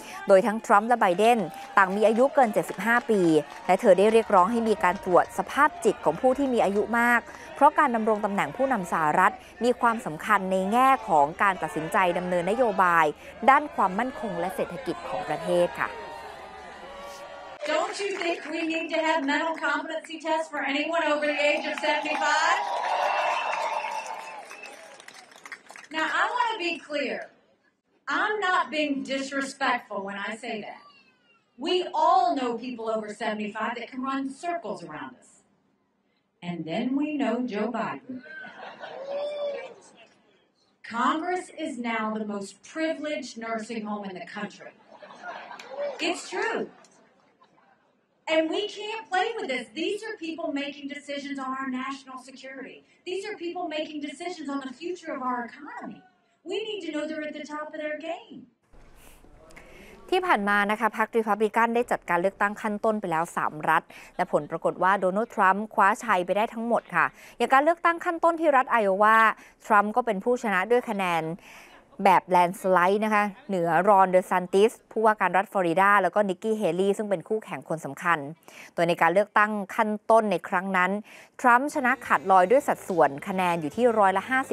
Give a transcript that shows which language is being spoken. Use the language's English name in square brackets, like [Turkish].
[Thai] โดยทั้งทรัมป์และไบเดนต่างมีอายุเกิน75ปีและเธอได้เรียกร้องให้มีการตรวจสภาพจิตของผู้ที่มีอายุมากเพราะการดำรงตำแหน่งผู้นำสหรัฐมีความสำคัญในแง่ของการตัดสินใจดำเนินนโยบายด้านความมั่นคงและเศรษฐกิจของประเทศค่ะ [English] Don't you think we need to have mental competency tests for anyone over the age of 75? Now, I want to be clear. I'm not being disrespectful when I say that. We all know people over 75 that can run circles around us. And then we know Joe Biden. Congress is now the most privileged nursing home in the country. It's true. And we can't play with this. These are people making decisions on our national security. These are people making decisions on the future of our economy. We need to know they're at the top of their game. [Thai] ที่ผ่านมานะคะพรรครีพับลิกันได้จัดการเลือกตั้งขั้นต้นไปแล้ว3รัฐและผลปรากฏว่าโดนัลด์ทรัมป์คว้าชัยไปได้ทั้งหมดค่ะอย่างการเลือกตั้งขั้นต้นที่รัฐไอโอวาทรัมป์ก็เป็นผู้ชนะด้วยคะแนนแบบแลนด์สไลด์นะคะเหนือรอนเดอซันติสผู้ว่าการรัฐฟลอริดาแล้วก็นิกกี้เฮลี่ซึ่งเป็นคู่แข่งคนสำคัญตัวในการเลือกตั้งขั้นต้นในครั้งนั้นทรัมป์ชนะขาดลอยด้วยสัดส่วนคะแนนอยู่ที่ร้อยละ51